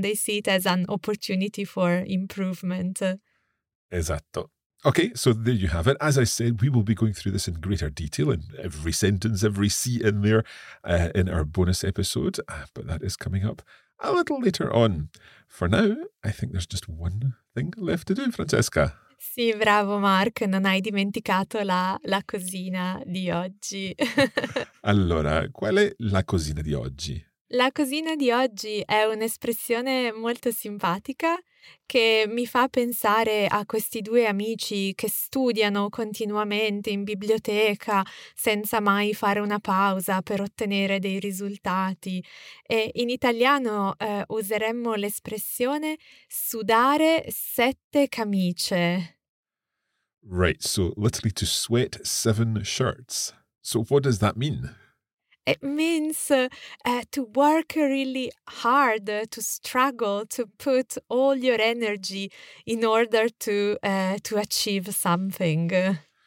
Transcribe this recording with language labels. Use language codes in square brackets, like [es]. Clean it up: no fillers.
[en] They see it as an opportunity for improvement. Esatto. Okay, so there you have it. As I said, we will be going through this in greater detail in every sentence, every C in there in our bonus episode. But that is coming up a little later on. For now, I think there's just one thing left to do, Francesca. [it] Sì, bravo Mark, non hai dimenticato la cosina di oggi. Allora, qual è la cosina di oggi? La cosina di oggi è un'espressione molto simpatica che mi fa pensare a questi due amici che studiano continuamente in biblioteca senza mai fare una pausa per ottenere dei risultati. E in italiano useremmo l'espressione sudare sette camicie. [en] Right, so literally to sweat seven shirts. So what does that mean? It means to work really hard, to struggle, to put all your energy in order to achieve something.